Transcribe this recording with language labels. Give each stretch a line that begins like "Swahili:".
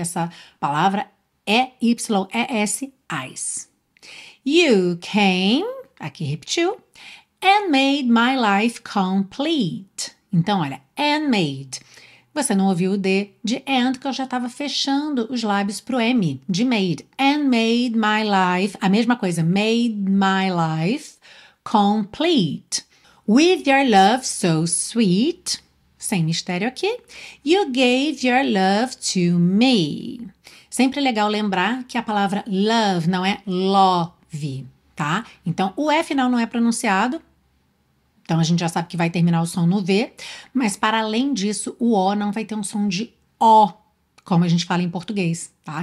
Portuguese: Essa palavra é Y-E-S, eyes.
English: You came,
Portuguese: aqui repetiu,
English: and made my life complete.
Portuguese: Então, olha,
English: and made.
Portuguese: Você não ouviu o D de and, que eu já estava fechando os lábios para o M de made.
English: And made my life,
Portuguese: a mesma coisa,
English: made my life complete. With your love so sweet,
Portuguese: sem mistério aqui,
English: you gave your love to me.
Portuguese: Sempre legal lembrar que a palavra love não é love, tá? Então, o E final não é pronunciado. Então, a gente já sabe que vai terminar o som no V, mas para além disso, o O não vai ter um som de O, como a gente fala em português, tá?